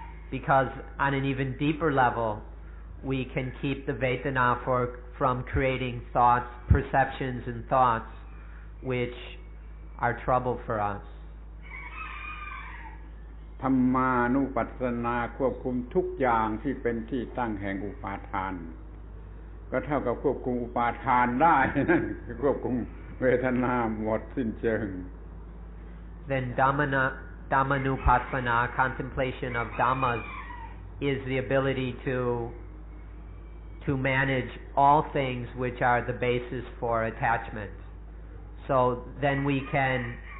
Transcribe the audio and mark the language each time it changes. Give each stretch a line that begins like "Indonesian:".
English: Because on an even deeper level, we can keep the vetana from creating thoughts, perceptions and thoughts, which are trouble for us.
Thai: ธรรมานุปัสสนาควบคุมทุกอย่างที่เป็นที่ตั้งแห่งอุปาทานก็เท่ากับควบคุมอุปาทานได้นั่นควบคุมเวทนาหมดสิ้นเชิง
English: Then Dhammanupassana contemplation of dhammas is the ability to manage all things which are the basis for attachment so then we can